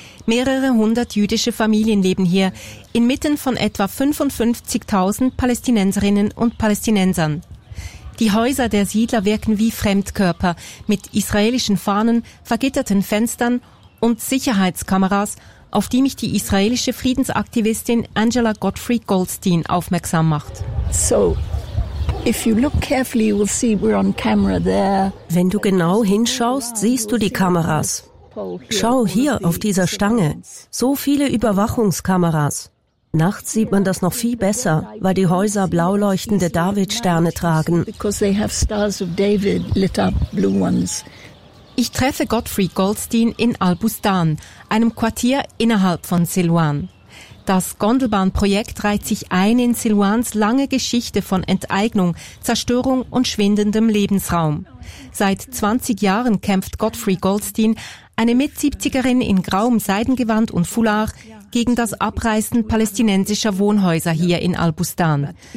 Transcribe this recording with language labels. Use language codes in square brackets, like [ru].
[de] Mehrere hundert jüdische Familien leben hier, inmitten von etwa 55.000 Palästinenserinnen und Palästinensern. Die Häuser der Siedler wirken wie Fremdkörper, mit israelischen Fahnen, vergitterten Fenstern und Sicherheitskameras, auf die mich die israelische Friedensaktivistin Angela Gottfried Goldstein aufmerksam macht. [en] So, if you look carefully, you will see we're on camera there. [de] Wenn du genau hinschaust, siehst du die Kameras. Schau hier auf dieser Stange. So viele Überwachungskameras. Nachts sieht man das noch viel besser, weil die Häuser blau leuchtende David-Sterne tragen. [en] Because they have stars of David lit up, blue ones. [de] Ich treffe Gottfried Goldstein in Al-Bustan, einem Quartier innerhalb von Silwan. Das Gondelbahnprojekt reiht sich ein in Silwans lange Geschichte von Enteignung, Zerstörung und schwindendem Lebensraum. Seit 20 Jahren kämpft Gottfried Goldstein, eine Mitsiebzigerin in grauem Seidengewand und Foulard, gegen das Abreißen palästinensischer Wohnhäuser hier in Al-Bustan.